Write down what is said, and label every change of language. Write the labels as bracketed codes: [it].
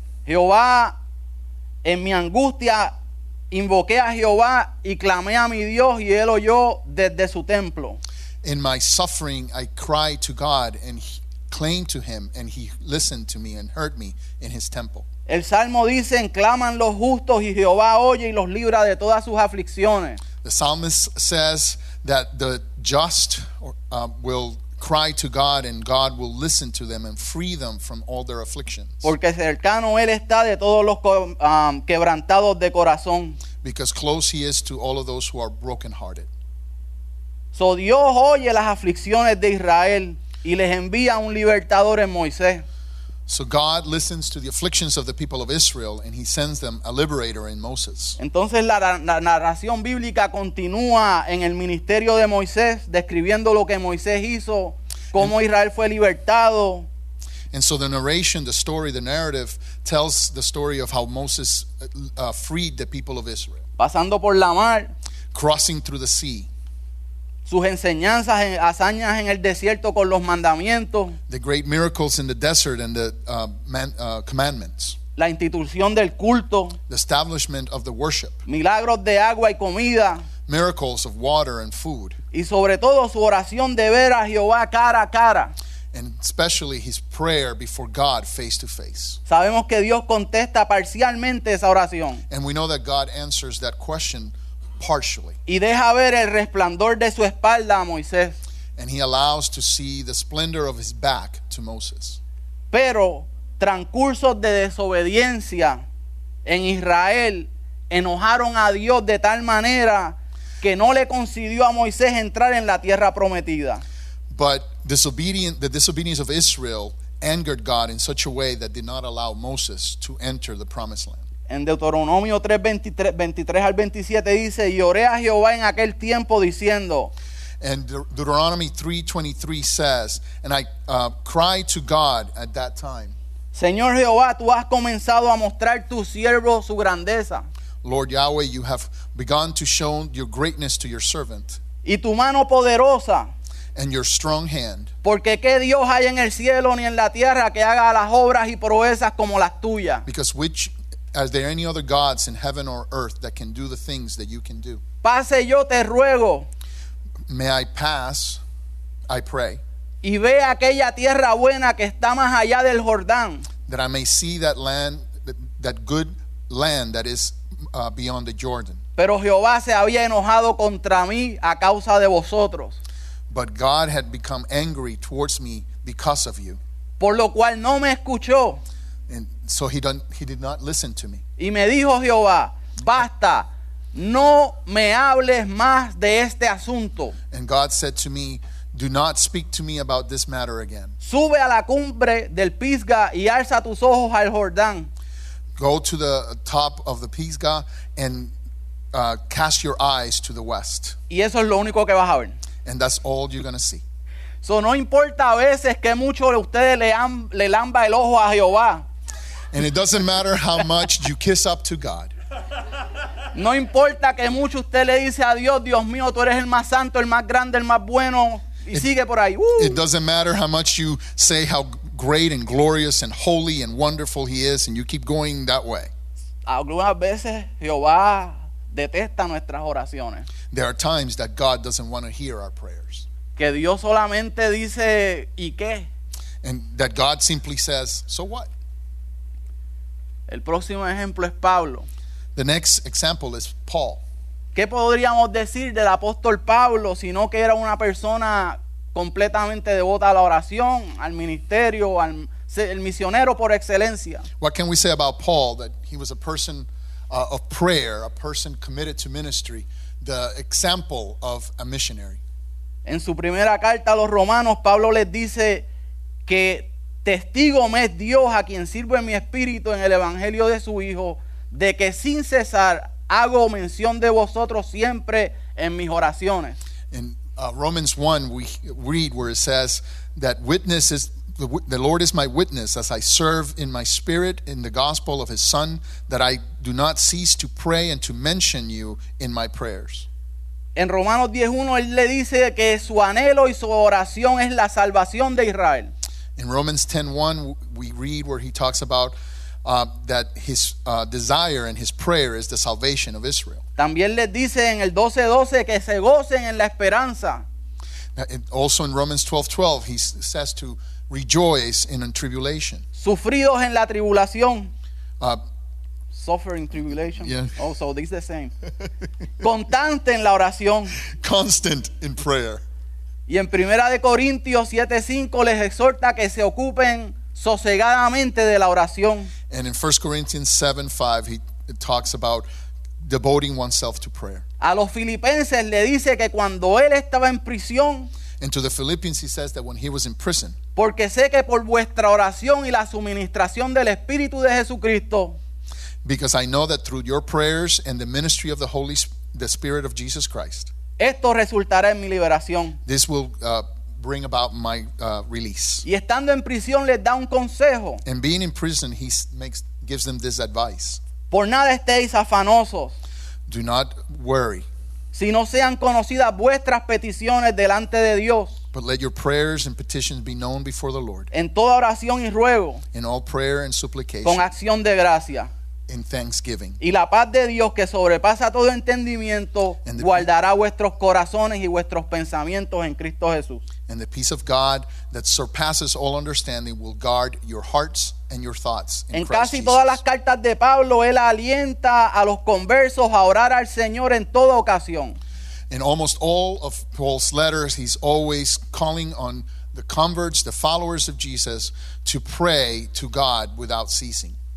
[es] Jehová, en mi angustia invoqué a Jehová y clamé a mi Dios y él oyó desde su templo. [en] In my suffering I cried to God and claimed to him and he listened to me and heard me in his temple. [es] El salmo dice, claman los justos y Jehová oye y los libra de todas sus aflicciones. [en] The psalmist says that the just will cry to God and God will listen to them and free them from all their afflictions. [es] Porque cercano él está de todos los quebrantados de corazón. [en] Because close he is to all of those who are brokenhearted. So [es] Dios oye las aflicciones de Israel y les envía un libertador en Moisés. [en] So God listens to the afflictions of the people of Israel and he sends them a liberator in Moses. [es] Entonces la narración bíblica continúa en el ministerio de Moisés describiendo lo que Moisés hizo, cómo Israel fue libertado. [en] And so the narration, the story, the narrative tells the story of how Moses freed the people of Israel. [es] Pasando por la mar, [en] crossing through the sea. [es] Sus enseñanzas, hazañas en el desierto con los mandamientos. [en] The great miracles in the desert and the commandments. [es] La institución del culto. [en] The establishment of the worship. [es] Milagros de agua y comida. [en] Miracles of water and food. [es] Y sobre todo su oración de ver a Jehová cara a cara. [en] And especially his prayer before God face to face. [es] Sabemos que Dios contesta parcialmente esa oración. [en] And we know that God answers that question partially. [es] Y deja ver el resplandor de su espalda a Moisés. [en] And he allows to see the splendor of his back to Moses. [es] Pero transcurso de desobediencia en Israel enojaron a Dios de tal manera que no le concedió a Moisés entrar en la tierra prometida. [en] But the disobedience of Israel angered God in such a way that did not allow Moses to enter the promised land. [es] En Deuteronomio 3:23-27 dice, y oré a Jehová en aquel tiempo diciendo. [en] And Deuteronomy 3:23 says, and I cried to God at that time. [es] Señor Jehová, tú has comenzado a mostrar tu siervo su grandeza. [en] Lord Yahweh, you have begun to show your greatness to your servant. [es] Y tu mano poderosa. [en] And your strong hand. [es] Porque qué Dios hay en el cielo ni en la tierra que haga las obras y proezas como las tuyas. [en] Because which are there any other gods in heaven or earth that can do the things that you can do? [es] Pase yo te ruego. [en] May I pass, I pray. [es] Y ve aquella tierra buena que está más allá del Jordán. [en] That I may see that land, that good land that is beyond the Jordan. [es] Pero Jehová se había enojado contra mí a causa de vosotros. [en] But God had become angry towards me because of you. [es] Por lo cual no me escuchó. [en] And so he did not listen to me. [es] Y me dijo Jehová, basta, no me hables más de este asunto. [en] And God said to me, Do not speak to me about this matter again. [es] Sube a la cumbre del Pisga y alza tus ojos al Jordán. [en] Go to the top of the Pisgah and cast your eyes to the west. [es] Y eso es lo único que vas a ver. [en] And that's all you're going to see. So [es] no importa a veces que mucho de ustedes le lamba el ojo a Jehová. [en] And it doesn't matter how much you kiss up to God. [es] No importa que mucho usted le dice a Dios, Dios mío, tú eres el más santo, el más grande, el más bueno, y it, sigue por ahí. [en] It doesn't matter how much you say how great and glorious and holy and wonderful he is, and you keep going that way. [es] Algunas veces Jehová detesta nuestras oraciones. [en] There are times that God doesn't want to hear our prayers. [es] Que Dios solamente dice, ¿y qué? [en] And that God simply says, so what? [es] El próximo ejemplo es Pablo. [en] The next example is Paul. [es] ¿Qué podríamos decir del apóstol Pablo si no que era una persona completamente devota a la oración, al ministerio, al el misionero por excelencia? [en] What can we say about Paul that he was a person of prayer, a person committed to ministry, the example of a missionary? [es] En su primera carta a los Romanos, Pablo les dice que testigo me es Dios a quien sirvo en mi espíritu en el evangelio de su hijo, de que sin cesar hago mención de vosotros siempre en mis oraciones. [en] In Romans 1 we read where it says that witness is the Lord is my witness as I serve in my spirit in the gospel of his son, that I do not cease to pray and to mention you in my prayers. [es] En Romanos 10:1 él le dice que su anhelo y su oración es la salvación de Israel. [en] In Romans 10:1 we read where he talks about that his desire and his prayer is the salvation of Israel. [es] También les dice en el 12:12 que se gocen en la esperanza. [en] Also in Romans 12:12 he says to rejoice in tribulation. [es] Sufridos en la tribulación. [en] Suffering tribulation. Yeah. Oh, so this is the same. [es] Constante en la oración. [en] Constant in prayer. [es] Y en Primera de Corintios 7:5 les exhorta que se ocupen sosegadamente de la oración. [en] And in 1 Corinthians 7:5 he talks about devoting oneself to prayer. [es] A los filipenses le dice que cuando él estaba en prisión. [en] And to the Philippians he says that when he was in prison. [es] Porque sé que por vuestra oración y la suministración del Espíritu de Jesucristo. [en] Because I know that through your prayers and the ministry of the Holy the Spirit of Jesus Christ. [es] Esto resultará en mi liberación. [en] This will bring about my release. [es] Y estando en prisión les da un consejo. [en] And being in prison he makes gives them this advice. [es] Por nada estéis afanosos. [en] Do not worry. [es] Si no sean conocidas vuestras peticiones delante de Dios. [en] But let your prayers and petitions be known before the Lord. [es] En toda oración y ruego. [en] In all prayer and supplication. [es] Con acción de gracia. [en] In thanksgiving. [es] Y la paz de Dios que sobrepasa todo entendimiento guardará vuestros corazones y vuestros pensamientos en Cristo Jesús. [en] And the peace of God that surpasses all understanding will guard your hearts and your thoughts in [es] Christ Jesus. En casi todas las cartas de Pablo él alienta a los conversos a orar al Señor en toda ocasión. [en] In almost all of Paul's letters he's always calling on the converts, the followers of Jesus, to pray to God without ceasing.